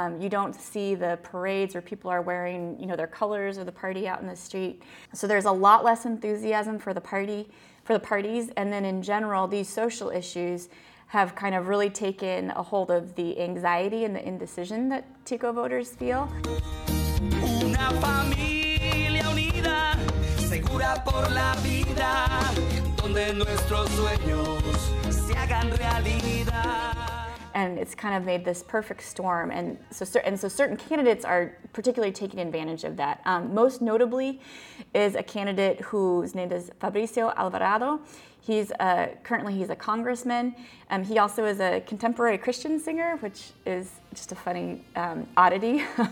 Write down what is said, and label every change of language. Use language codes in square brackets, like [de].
[en] You don't see the parades where people are wearing, you know, their colors or the party out in the street. So there's a lot less enthusiasm for the party, for the parties. And then in general, these social issues have kind of really taken a hold of the anxiety and the indecision that Tico voters feel. [es] Una familia unida, segura por la vida, donde nuestros sueños se hagan realidad. [en] And it's kind of made this perfect storm. And so certain candidates are particularly taking advantage of that. Most notably is a candidate whose name is Fabricio Alvarado. He's currently a congressman. He also is a contemporary Christian singer, which is just a funny oddity.